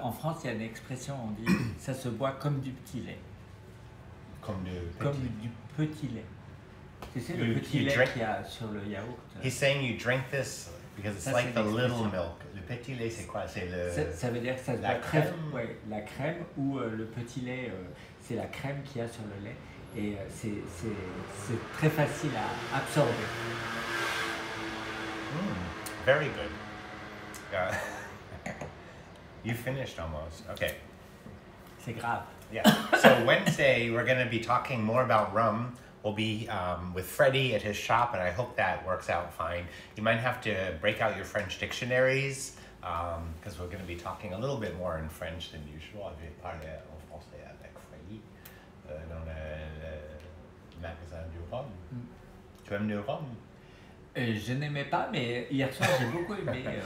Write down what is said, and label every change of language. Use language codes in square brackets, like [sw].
[fr] En France, il y a une expression, on dit, ça se boit comme du petit lait. Comme du petit lait. Tu sais, le petit lait qu'il y a sur le yaourt. [en] He's saying you drink this because it's like the little milk. [fr] Le petit lait, c'est quoi? C'est le... Ça veut dire que ça se boit crème. Ouais, la crème ou le petit lait, c'est la crème qu'il y a sur le lait. Et c'est très facile à absorber. [en] Very good. You finished almost. Okay. [fr] C'est grave. [en] Yeah. So Wednesday, we're going to be talking more about rum. We'll be with Freddie at his shop, and I hope that works out fine. You might have to break out your French dictionaries, because we're going to be talking a little bit more in French than usual. [fr] Je vais parler en français avec Freddie dans le magasin du rhum. Tu aimes le rhum? Je n'aimais pas, mais hier soir j'ai beaucoup aimé.